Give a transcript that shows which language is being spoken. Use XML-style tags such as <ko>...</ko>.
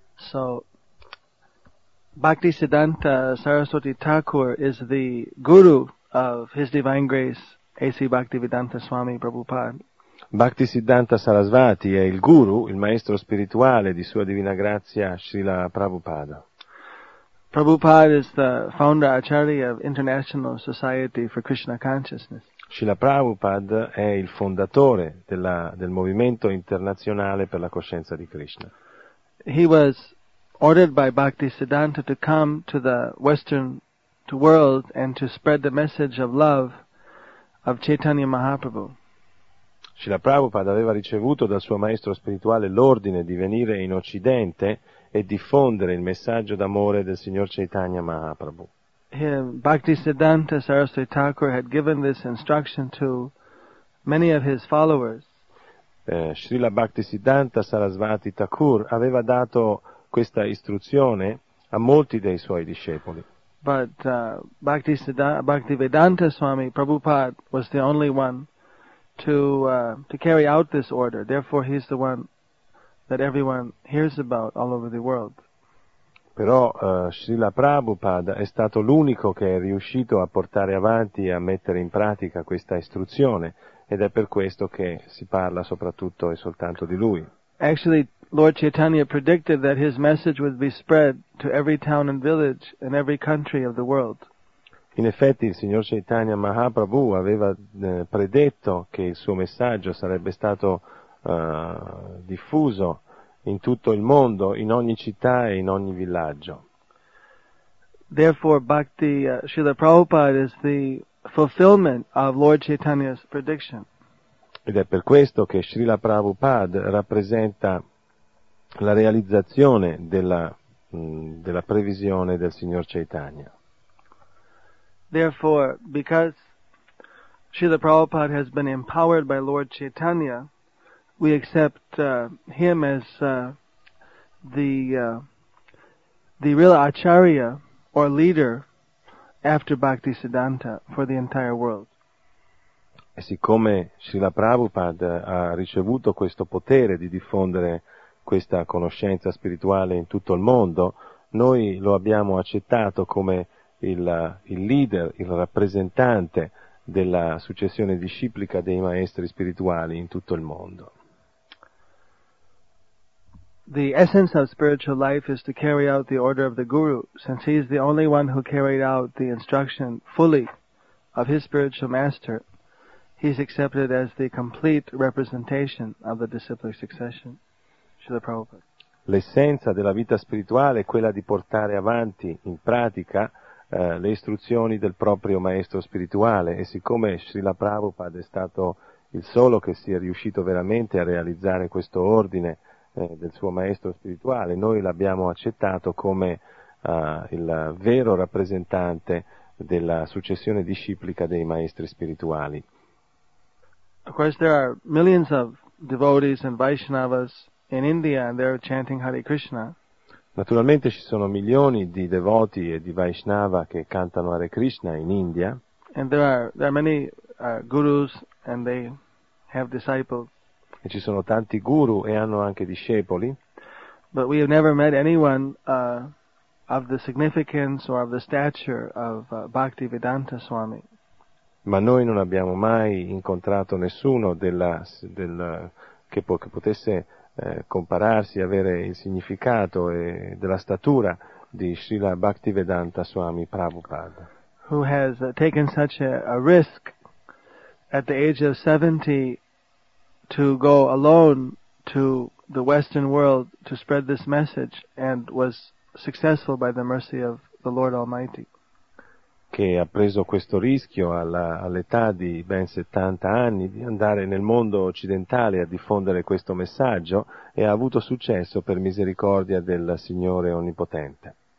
<en>So, Bhaktisiddhanta Saraswati Thakur is the guru of His Divine Grace, A.C. Bhaktivedanta Swami Prabhupada.</en> <it>Bhaktisiddhanta Sarasvati è il guru, il maestro spirituale di Sua Divina Grazia, Srila Prabhupada.</it> <en>Prabhupada is the founder acharya of International Society for Krishna Consciousness.</en> <it>Srila Prabhupada è il fondatore del movimento internazionale per la coscienza di Krishna.</it> <en>He was ordered by Bhaktisiddhanta to come to the Western world and to spread the message of love of Chaitanya Mahaprabhu.</en> <it>Srila Prabhupada aveva ricevuto dal suo maestro spirituale l'ordine di venire in Occidente e diffondere il messaggio d'amore del signor Chaitanya Mahaprabhu.</it> <en>Bhakti Siddhanta Saraswati Thakur had given this instruction to many of his followers.</en> <it>Srila Bhakti Siddhanta Saraswati Thakur aveva dato questa istruzione a molti dei suoi discepoli.</it> <en>But Bhaktivedanta Swami Prabhupada was the only one to carry out this order. Therefore, he's the one that everyone hears about all over the world.</en> <it>Però Srila Prabhupada è stato l'unico che è riuscito a portare avanti e a mettere in pratica questa istruzione, ed è per questo che si parla soprattutto e soltanto di lui.</it> <en>Actually, Lord Chaitanya predicted that his message would be spread to every town and village in every country of the world.</en> <it>In effetti, il signor Chaitanya Mahaprabhu aveva predetto che il suo messaggio sarebbe stato diffuso in tutto il mondo, in ogni città e in ogni villaggio.</it> <en>Therefore, Bhakti Srila Prabhupada is the fulfillment of Lord Chaitanya's prediction.</en> <it>Ed è per questo che Srila Prabhupada rappresenta la realizzazione della previsione del signor Chaitanya.</it> <en>Therefore, because Srila Prabhupada has been empowered by Lord Chaitanya, we accept him as the real acharya or leader after Bhakti Siddhanta for the entire world.</en> <it>E siccome Srila Prabhupada ha ricevuto questo potere di diffondere questa conoscenza spirituale in tutto il mondo, noi lo abbiamo accettato come il leader, il rappresentante della successione disciplica dei maestri spirituali in tutto il mondo.</it> <en>The essence of spiritual life is to carry out the order of the Guru, since he is the only one who carried out the instruction fully of his spiritual master. He is accepted as the complete representation of the disciplic succession. Srila Prabhupada.</en> <it>L'essenza della vita spirituale è quella di portare avanti in pratica le istruzioni del proprio maestro spirituale, e siccome Srila Prabhupada è stato il solo che si è riuscito veramente a realizzare questo ordine del suo maestro spirituale, noi l'abbiamo accettato come il vero rappresentante della successione disciplica dei maestri spirituali.</it> <en>Of course, there are millions of devotees and Vaishnavas in India, and they're chanting Hare Krishna.</en> <it>Naturalmente ci sono milioni di devoti e di Vaishnava che cantano Hare Krishna in India.</it> <en>And there are many gurus, and they have disciples.</en> <it>E ci sono tanti guru e hanno anche discepoli.</it> <en>But we have never met anyone of the significance or of the stature of Bhaktivedanta Swami.</en> <it>Ma noi non abbiamo mai incontrato nessuno che potesse compararsi, avere il significato e della statura di Srila Bhaktivedanta Swami Prabhupada.</it> <en>Who has taken such a risk at the age of 70 to go alone to the Western world to spread this message and was successful by the mercy of the Lord Almighty.</en> <it>Che ha preso questo rischio all'età di ben 70 anni di andare nel mondo occidentale a diffondere questo messaggio e ha avuto successo per misericordia del Signore Onnipotente.</it>